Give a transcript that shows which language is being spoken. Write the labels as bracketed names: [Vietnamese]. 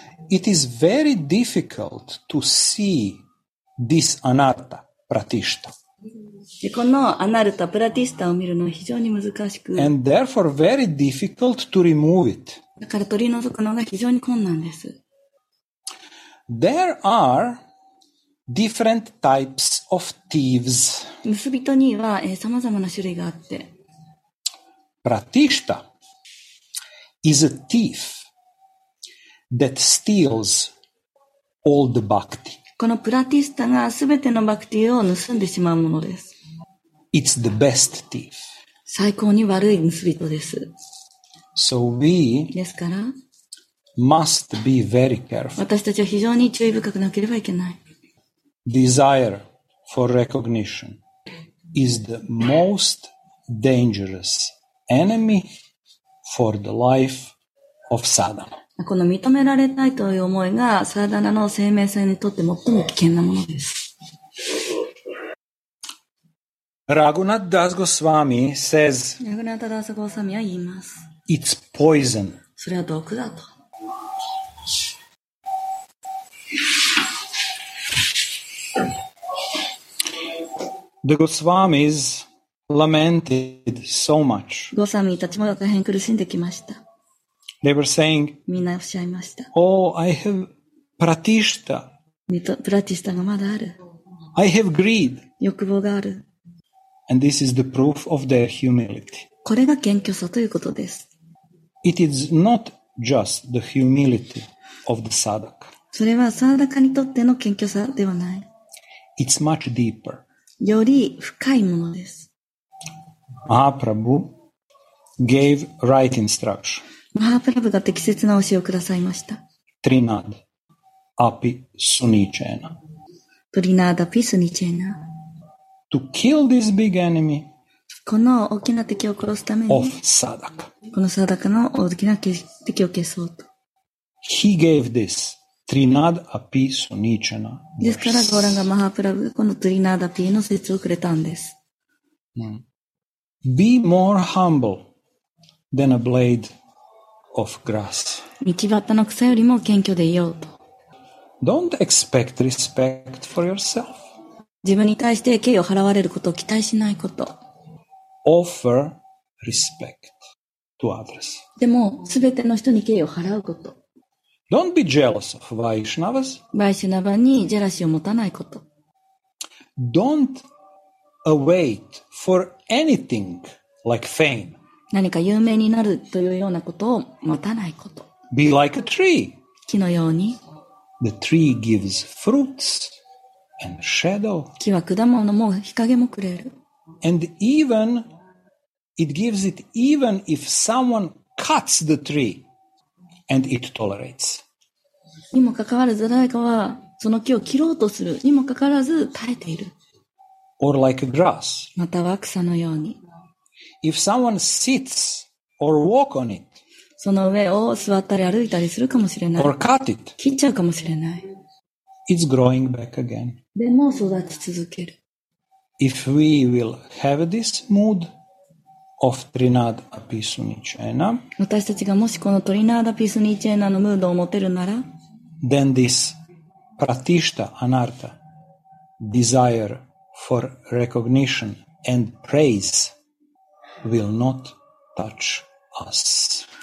[English] It is very difficult to see this anatta, pratishta. [Japanese] このアナルタ、プラティスタを見るのは非常に難しく。 [English] And therefore very difficult to remove it. [Japanese] だから取り除くのが非常に困難です。 [English] There are different types of thieves. [Japanese] 盗人には、様々な種類があって。 [English] Pratishta is a thief that steals all the bhakti. [Japanese] このプラティスタがすべてのバクティを盗んでしまうものです。 [English] It's the best thief. [Japanese] 最高に悪い盗人です。 [English] So we [Japanese] ですから [English] must be very careful. [Japanese] 私たちは非常に注意深くなければいけない。 [English] Desire for recognition is the most dangerous enemy for the life of sadhana. [Japanese] この認められたいという思いがサダナの生命線にとって最も危険なものです。 [English] Raghunath Das Goswami says, [Japanese] Raghunath Das Goswami は言います。 [English] It's poison. [Japanese] それは毒だと。 [English] The Goswamis lamented so much. [Japanese] ゴサミたちも大変苦しんできました。 [English] They were saying, [Japanese] みんなおっしゃいました。 [English] Oh, I have pratishta. [Japanese] プラティシタがまだある。 [English] I have greed. [Japanese] 欲望がある。 [English] And this is the proof of their humility. [Japanese] これが謙虚さということです。 [English] It is not just the humility of the sadhak. [Japanese] それはサダカにとっての謙虚さではない。 [English] It's much deeper. [Japanese] より深いものです。 [English] マハプラブ gave right instruction. [Japanese] マハプラブが適切な教えをくださいました。 [Sanskrit] トリナダ、アピ、スニチェーナ。トリナダ、ピ、スニチェーナ。 [English] To kill this big enemy. [Japanese] この大きな敵を殺すために。 [English] Of Sadhaka. [Japanese] このサダカの大きな敵を消そうと。 [English] He gave this. [Sanskrit] Trinad api sunichana. [Japanese] ですからゴーランがマハプラブがこのトリナダピーの説をくれたんです。 [English] Be more humble than a blade of grass. [Japanese] 道端の草よりも謙虚でいようと。 [English] Don't expect respect for yourself. [Japanese] 自分に対して敬意を払われることを期待しないこと。 [English] Offer respect to others. [Japanese] でも、すべての人に敬意を払うこと。 [English] Don't be jealous of Vaishnavas. [Japanese] Vaishnava にジェラシーを持たないこと。 [English] Don't await for anything like fame. [Japanese] 何か有名になるというようなことを待たないこと。 [English] Be like a tree. [Japanese] 木のように。 [English] The tree gives fruits and shadow. [Japanese] 木は果物も日陰もくれる。 [English] And even it gives it, even if someone cuts the tree and it tolerates. [Japanese] にもかかわらず誰かはその木を切ろうとするにもかかわらず耐えている。 [English] Or like a grass. [Japanese] または草のように。 [English] If someone sits or walk on it. [Japanese] その上を座ったり歩いたりするかもしれない。 [English] Or cut it. [Japanese] 切っちゃうかもしれない。 [English] It's growing back again. [Japanese] でも育ち続ける。 [English] If we will have this mood of Trinad Apisunichena. [Japanese] 私たちがもしこのトリナーダピスニチェーナのムードを持てるなら、 [English] then this pratishta anartha desire for recognition and praise will not touch us.